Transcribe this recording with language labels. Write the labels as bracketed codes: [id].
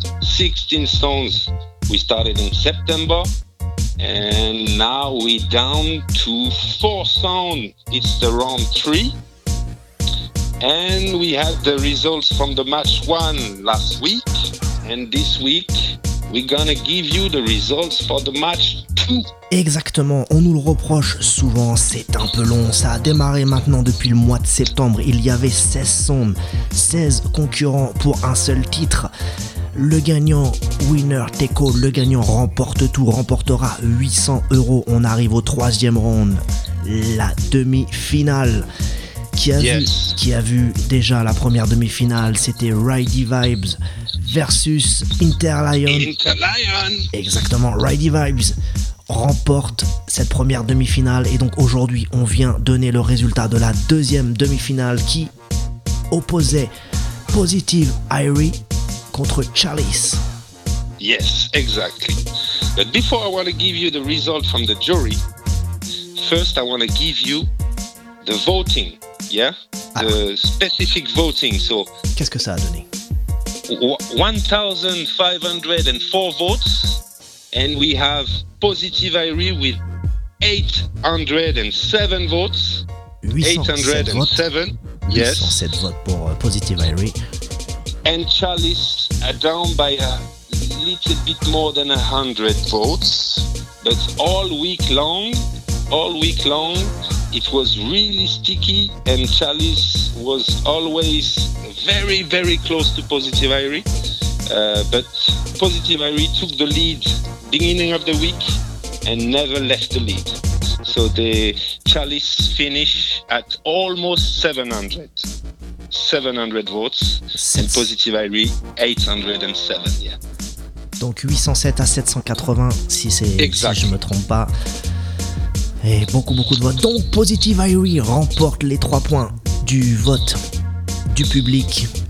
[en] 16 songs. We started in September and now we're down to 4 songs. It's the round 3. And we had the results from the match 1 last week. And this week, we're gonna give you the results for the match 2. [fr] Exactement, on nous le reproche souvent, c'est un peu long, ça a démarré maintenant depuis le mois de septembre, il y avait 16 sondes, 16 concurrents pour un seul titre. Le gagnant, winner, Teco, le gagnant remporte tout, remportera 800 €, on arrive au troisième round, la demi-finale. Qui a vu déjà la première demi-finale, c'était Ridey Vibes versus Interlion. Interlion. Exactement, Ridey Vibes remporte cette première demi-finale et donc aujourd'hui on vient donner le résultat de la deuxième demi-finale qui opposait Positive Irie contre Chalice. [en] Yes, exactly. But before I want to give you the result from the jury, first I want to give you the voting, yeah, the specific voting. So [fr] qu'est-ce que ça a donné? [en] 1,504 votes. And we have Positive Irie with 807 votes. 807 votes. [fr] 807 votes pour Positive Irie. [en] And Chalice are down by a little bit more than 100 votes. But all week long, it was really sticky. And Chalice was always very, very close to Positive Irie. But Positive Irie took the lead beginning of the week and never left the lead. So the Chalice finish at almost 700 votes and Positive Irie 807. Yeah. [fr] Donc 807 à 780 si je ne me trompe pas. Et beaucoup beaucoup de votes. Donc Positive Irie remporte les 3 points du vote du public.